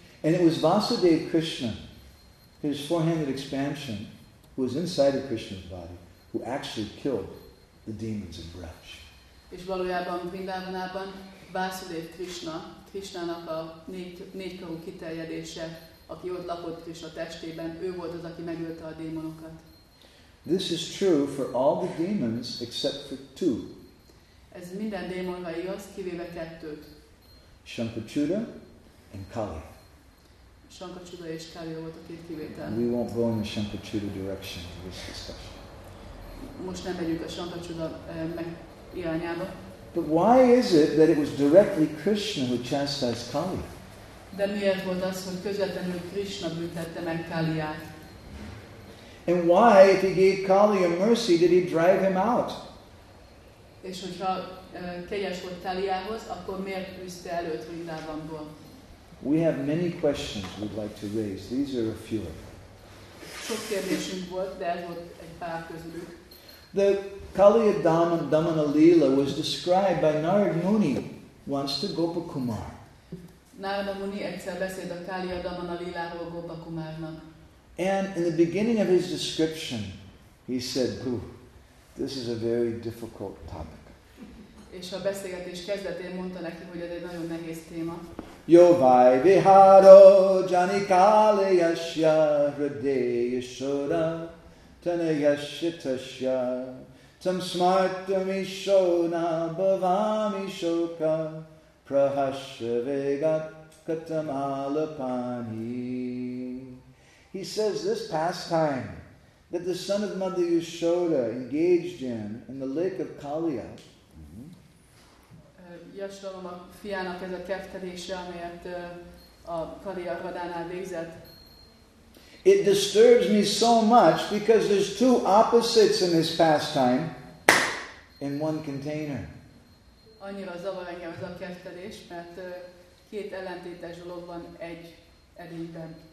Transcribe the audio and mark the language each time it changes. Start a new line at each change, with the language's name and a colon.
English: And it was Vasudeva Krishna, his four-handed expansion, who was inside of Krishna's body, who actually killed the demons in Braj.
Hungarian: És valójában Vrindavanában Vasudev Krishnának a négy karú kiterjedése, aki ott lakott Krishna testében, ő volt az, aki megölte a démonokat.
English: This is true for all the demons except for two.
Hungarian: Ez minden démonra igaz, kivéve kettőt.
English: Shankachuda and Kali.
Hungarian: Shankachuda és Kali volt a két kivétel.
English: We won't go in the Shankachuda direction in this discussion.
Hungarian: Most nem megyünk a Shankachuda irányába.
English: But why is it that it was directly Krishna who chastised Kali?
Hungarian: De miért volt az, hogy közvetlenül Krishna büntette meg Kaliát?
English: And why, if he gave Kali a mercy, did he drive him out?
Hungarian: És hogyha kegyes volt Kaliához, akkor miért üzte el őt Vrindavanból?
English: We have many questions we'd like to raise. These are a few of them.
Hungarian: Sok kérdésünk volt, de ez volt egy pár közülük.
English: The Kaliya Damana Leela was described by Narad Muni once to Gopa Kumar.
Hungarian: Narada Muni egyszer beszélt a Kaliya Damana Leeláról Gopa Kumarnak.
English: And in the beginning of his description, he said, "Ooh, this is a very difficult topic."
Hungarian: És a beszélgetés kezdetén mondta neki, hogy ez egy nagyon nehéz téma.
Sanskrit: Yo vai viharo jani kaliyasya hridayasura. Tanayashitasya tam smartami shona bhavami shoka prahashvegat katamalapani.
English: He says this pastime that the son of Mother Yashoda engaged in the lake of Kaliya.
Hungarian: Yashoda a fiának ez a keftelése, amelyet a Kaliya hadánál végzett.
English: It disturbs me so much because there's two opposites in this pastime in one container.
Hungarian: Annyira zavar engem ez a keftelés, mert két ellentétes dolog van egy edényben.